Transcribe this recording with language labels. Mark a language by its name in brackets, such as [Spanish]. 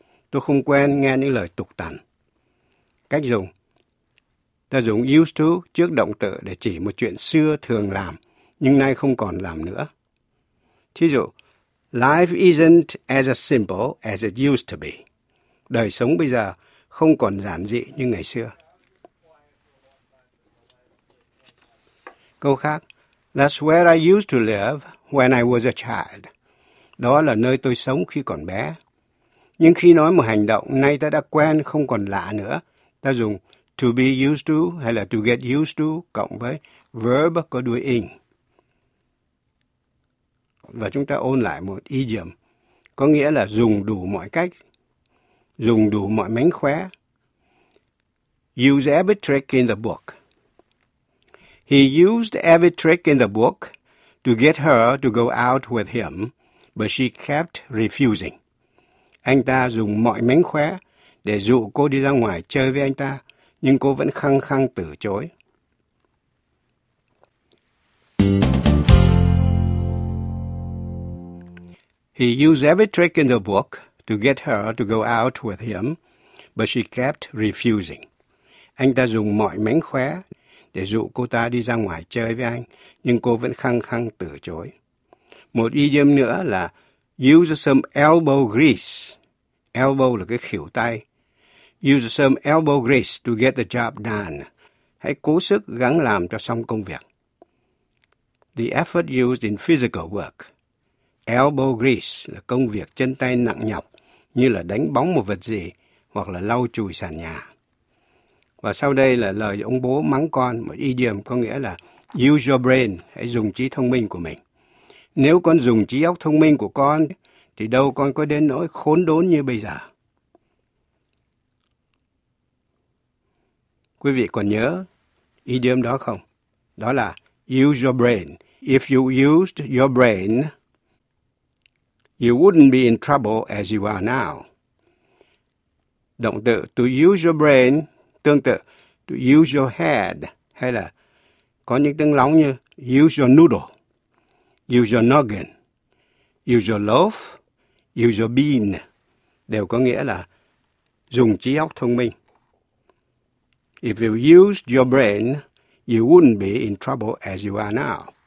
[Vietnamese] Tôi không quen nghe những lời tục tằn. Cách dùng, ta dùng used to trước động từ để chỉ một chuyện xưa thường làm, nhưng nay không còn làm nữa. Thí dụ, [English] life isn't as simple as it used to be. [Vietnamese] Đời sống bây giờ không còn giản dị như ngày xưa. Câu khác, [English] that's where I used to live when I was a child. [Vietnamese] Đó là nơi tôi sống khi còn bé. Nhưng khi nói một hành động, nay ta đã quen, không còn lạ nữa. Ta dùng to be used to hay là to get used to cộng với verb có đuôi ing. Và chúng ta ôn lại một idiom, có nghĩa là dùng đủ mọi cách, dùng đủ mọi mánh khóe. [English] Use every trick in the book. He used every trick in the book to get her to go out with him, but she kept refusing. [Vietnamese] Anh ta dùng mọi mánh khóe để dụ cô đi ra ngoài chơi với anh ta, nhưng cô vẫn khăng khăng từ chối. [English] He used every trick in the book to get her to go out with him, but she kept refusing. [Vietnamese] Anh ta dùng mọi mánh khóe để dụ cô ta đi ra ngoài chơi với anh, nhưng cô vẫn khăng khăng từ chối. Một idiom nữa là [English] use some elbow grease. [Vietnamese] Elbow là cái khuỷu tay. [English] Use some elbow grease to get the job done. [Vietnamese] Hãy cố sức gắng làm cho xong công việc. [English] The effort used in physical work. [Vietnamese] Elbow grease là công việc chân tay nặng nhọc, như là đánh bóng một vật gì hoặc là lau chùi sàn nhà. Và sau đây là lời ông bố mắng con, một idiom có nghĩa là [English] use your brain, [Vietnamese] hãy dùng trí thông minh của mình. Nếu con dùng trí óc thông minh của con, thì đâu con có đến nỗi khốn đốn như bây giờ. Quý vị còn nhớ idiom đó không? Đó là [English] use your brain. If you used your brain, you wouldn't be in trouble as you are now. [Vietnamese] Động từ [English] to use your brain [Vietnamese] tương tự [English] to use your head, [Vietnamese] hay là có những tiếng lóng như [English] use your noodle, use your noggin, use your loaf, use your bean [Vietnamese] đều có nghĩa là dùng trí óc thông minh. [English] If you used your brain, you wouldn't be in trouble as you are now.